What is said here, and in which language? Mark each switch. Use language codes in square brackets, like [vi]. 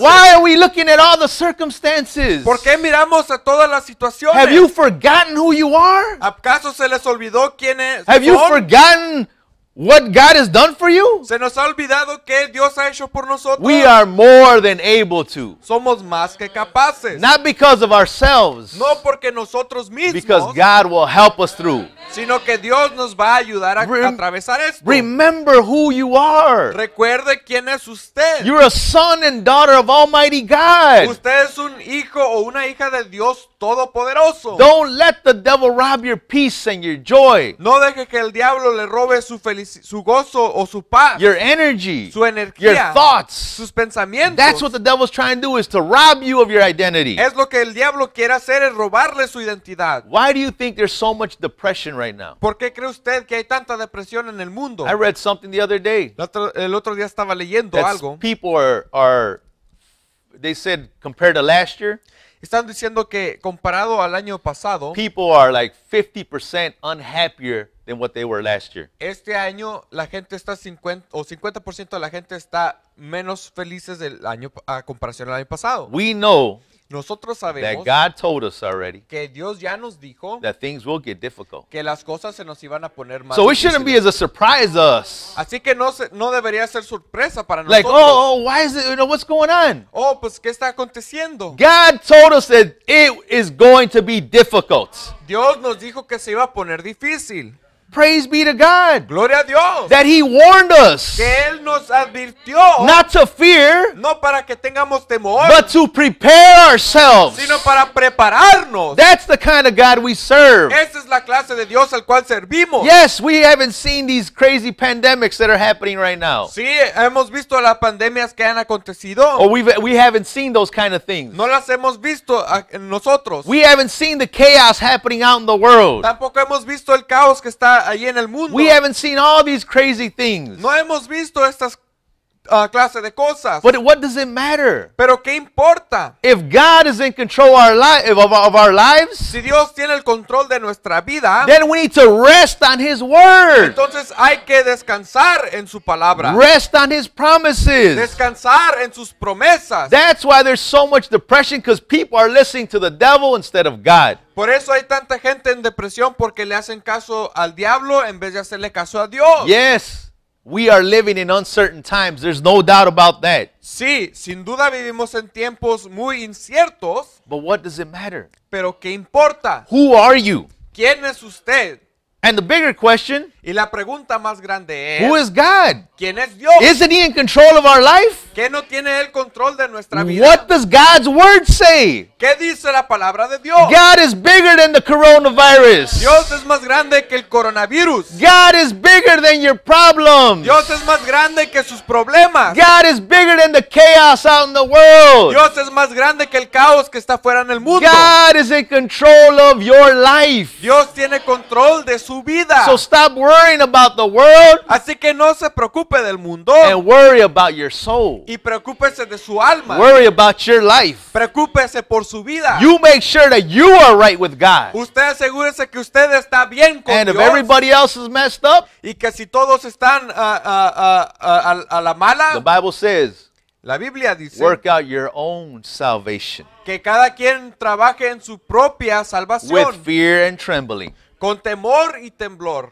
[en] Why are we looking at all the circumstances? [es] ¿Por qué miramos a todas las situaciones? [en] Have you forgotten who you are? [es] ¿Acaso se les olvidó quién es? [en] Have you forgotten what God has done for you? [es] Se nos ha olvidado qué Dios ha hecho por nosotros. [en] We are more than able to. [es] Somos más que capaces. [en] Not because of ourselves. [es] No porque nosotros mismos. [en] Because God will help us through. [es] Sino que Dios nos va a ayudar a atravesar esto. [en] Remember who you are. [es] Recuerde quién es usted. [en] You're a son and daughter of Almighty God. [es] Usted es un hijo o una hija de Dios Todopoderoso. [en] Don't let the devil rob your peace and your joy. [es] No deje que el diablo le robe su gozo o su paz. [en] Your energy. [es] Su energía. [en] Your thoughts. [es] Sus pensamientos. [en] That's what the devil's trying to do, is to rob you of your identity. [es] Es lo que el diablo quiere hacer, es robarle su identidad. [en] Why do you think there's so much depression right now? [es] ¿Por qué cree usted que hay tanta depresión en el mundo? [en] I read something the other day. [es] El otro día estaba leyendo algo. [en] People are they said compared to last year. [es] Están diciendo que comparado al año pasado, [en] people are like 50% unhappier than what they were last year. [es] Este año la gente está 50% de la gente está menos felices del año a comparación al año pasado. [en] We know. [es] Nosotros sabemos [en] that God told us already [es] que Dios ya nos dijo [en] that things will get difficult. [es] Que las cosas se nos iban a poner más [en] so it shouldn't [es] difíciles. [en] Be as a surprise to us. [es] Así que no debería ser sorpresa para [en] like, [es] nosotros. [en] Like, oh, why is it, you know, what's going on? [es] Oh, pues, ¿qué está aconteciendo? [en] God told us that it is going to be difficult. [es] Dios nos dijo que se iba a poner difícil. [en] Praise be to God. [es] Gloria a Dios. [en] That he warned us. [es] Que él nos advirtió. [en] Not to fear. [es] No para que tengamos temor. [en] But to prepare ourselves. [es] Sino para prepararnos. [en] That's the kind of God we serve. [es] Esa es la clase de Dios al cual servimos. [en] Yes, we haven't seen these crazy pandemics that are happening right now. [es] Sí, hemos visto las pandemias que han acontecido. [en] Or we haven't seen those kind of things. [es] No las hemos visto en nosotros. [en] We haven't seen the chaos happening out in the world. [es] Tampoco hemos visto el caos que está allí en el mundo. [en] We haven't seen all these crazy things. [es] No hemos visto estas clase de cosas. [en] But what does it matter? [es] Pero qué importa? [en] If God is in control our of our lives, [es] si Dios tiene el control de nuestra vida, [en] then we need to rest on His word. [es] Entonces hay que descansar en su palabra. [en] Rest on His promises. [es] Descansar en sus promesas. [en] That's why there's so much depression, because people are listening to the devil instead of God. [es] Por eso hay tanta gente en depresión porque le hacen caso al diablo en vez de hacerle caso a Dios. [en] Yes. We are living in uncertain times. There's no doubt about that. [es] Sí, sin duda vivimos en tiempos muy inciertos. [en] But what does it matter? [es] Pero ¿qué importa? [en] Who are you? [es] ¿Quién es usted? [en] And the bigger question, [es] y la pregunta más grande es, [en] who is God? [es] ¿Quién es Dios? [en] Isn't He in control of our life? [es] ¿Qué no tiene el control de nuestra vida? [en] What does God's word say? [es] ¿Qué dice la palabra de Dios? [en] God is bigger than the coronavirus. [es] Dios es más grande que el coronavirus. [en] God is bigger than your problems. [es] Dios es más grande que sus problemas. [en] God is bigger than the chaos out in the world. [es] Dios es más grande que el caos que está fuera en el mundo. [en] God is in control of your life. [es] Dios tiene control de su vida. [en] So stop worrying about the world. [es] Así que no se preocupe del mundo. [en] And worry about your soul. [es] Y preocúpese de su alma. [en] Worry about your life. [es] Preocúpese por su vida. [en] You make sure that you are right with God. [es] Usted asegúrese que usted está bien con Dios. [en] And if everybody else is messed up, [es] y que si todos están a la mala, [en] the Bible says, [es] la Biblia dice, [en] work out your own salvation. [es] Que cada quien trabaje en su propia salvación. [en] With fear and trembling. [es] Con temor y temblor.